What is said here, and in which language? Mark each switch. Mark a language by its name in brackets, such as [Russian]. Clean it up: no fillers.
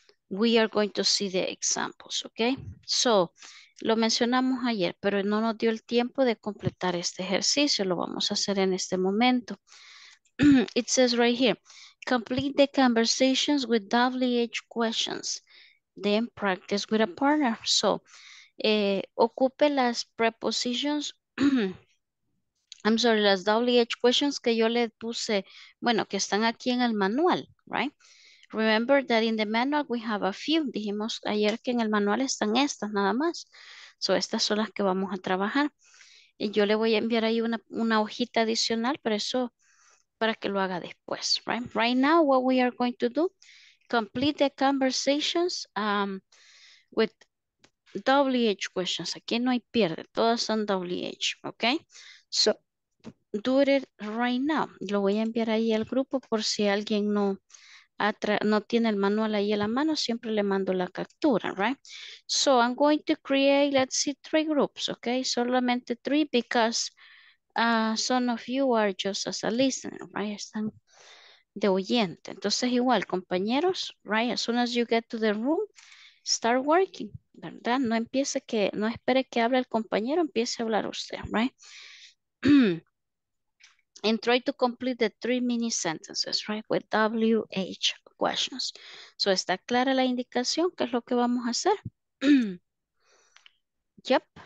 [English] we are going to see the examples, okay? [Spanish] So, lo mencionamos ayer, pero no nos dio el tiempo de completar este ejercicio. Lo vamos a hacer en este momento. [English] It says right here, complete the conversations with WH questions, then practice with a partner. [Spanish] So, ocupe las prepositions, I'm sorry, las WH questions que yo le puse, bueno, que están aquí en el manual, right? [English] Remember that in the manual we have a few. [Spanish] Dijimos ayer que en el manual están estas nada más. So estas son las que vamos a trabajar. Y yo le voy a enviar ahí una hojita adicional, pero eso para que lo haga después, right? [English] Right now what we are going to do, complete the conversations with WH questions. [Spanish] Aquí no hay pierde, todas son WH, okay? So do it right now. Lo voy a enviar ahí al grupo por si alguien no... no tiene el manual ahí a la mano, siempre le mando la captura, right? [English] So I'm going to create, let's see, three groups, okay? Solamente three because some of you are just as a listener, right? [Spanish] Están de oyente. Entonces igual, compañeros, right? [English] As soon as you get to the room, start working, ¿verdad? [Spanish] No empiece que, no espere que hable el compañero, empiece a hablar usted, right? [English] And try to complete the three mini sentences, right? With WH questions. So, ¿está clara la indicación? [Spanish] ¿Qué es lo que vamos a hacer? Yep.